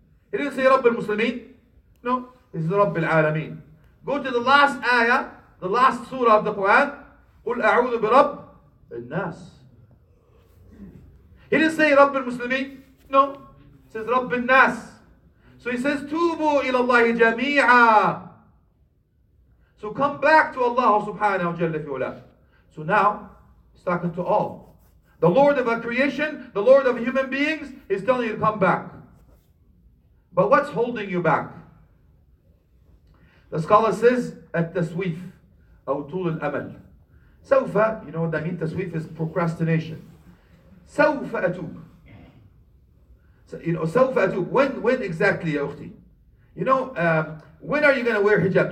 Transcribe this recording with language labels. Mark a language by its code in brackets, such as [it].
[en] He didn't say Rabb al-muslimin. No, this is Rabb al-alameen. Go to the last ayah, The last surah of the Quran, [ar] قُلْ أَعُوذُ بِرَبِّ النَّاسِ. [en] He didn't say [ar] رَبِّ الْمُسْلِمِينَ. [en] No. He says [ar] رَبِّ النَّاسِ. [en] So he says, [ar] تُوبُوا إِلَى اللَّهِ جَمِيعًا. [en] So come back to Allah subhanahu wa jalla fi ula. So now, he's talking to all. The Lord of our creation, the Lord of human beings, is telling you to come back. But what's holding you back? The scholar says, [ar] التسويف أو طول الأمل. [en] سوف, you know what that means, تسويف is procrastination. [ar] سوف أتوب. [en] You know, [ar] سوف أتوب. [en] When exactly, يا أختي? You know, when are you going to wear hijab?